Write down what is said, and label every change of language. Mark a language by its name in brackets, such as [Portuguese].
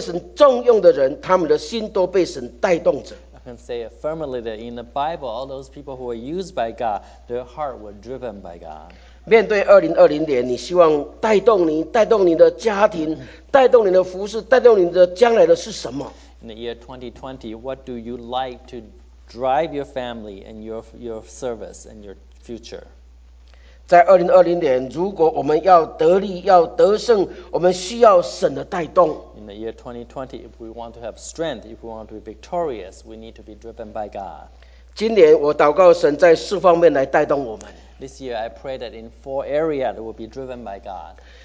[Chinese] 所以我可以很肯定、很负责任地说，圣经中所有被神重用的人，他们的心都被神带动着。 [English] I can say affirmatively that in the Bible, all those people who were used by God, their heart were driven by God. [Chinese] 面对2020年，你希望带动你、带动你的家庭、带动你的服事、带动你的将来的是什么？ [English] In the year 2020, what do you like to drive your family and your service and your future? [Chinese] 在2020年，如果我们要得力、要得胜，我们需要神的带动。 [English] In the year 2020, if we want to have strength, if we want to be victorious, we need to be driven by God. [Chinese] 今年我祷告神在四方面来带动我们。 [English] This year, I pray that in four areas, we will be driven by God.